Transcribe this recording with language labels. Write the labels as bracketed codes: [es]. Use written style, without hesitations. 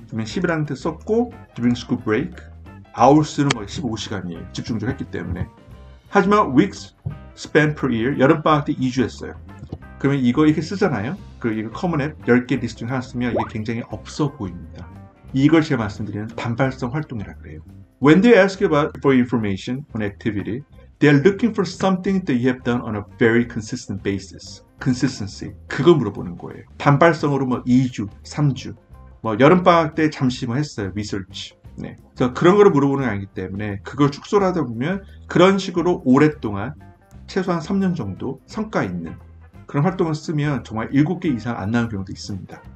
[ko] 그러면 11학년 때 썼고 [en] during school break [ko] 아울스는 거의 15시간이에요. 집중적으로 했기 때문에. 하지만 [en] weeks spent per year [ko] 여름방학 때 2주 했어요. 그러면 이거 이렇게 쓰잖아요. 그리고 이거 커먼 앱 10개 리스트 중 하나 쓰면 이게 굉장히 없어 보입니다. 이걸 제가 말씀드리는 단발성 활동이라 그래요. [en] When they ask you about for information on activity, they are looking for something that you have done on a very consistent basis. [ko] Consistency. 그거 물어보는 거예요. 단발성으로 뭐 2주, 3주. 뭐 여름방학 때 잠시 뭐 했어요. Research. 네. 그래서 그런 거를 물어보는 게 아니기 때문에 그걸 축소를 하다 보면 그런 식으로 오랫동안 최소한 3년 정도 성과 있는 그런 활동을 쓰면 정말 7개 이상 안 나오는 경우도 있습니다.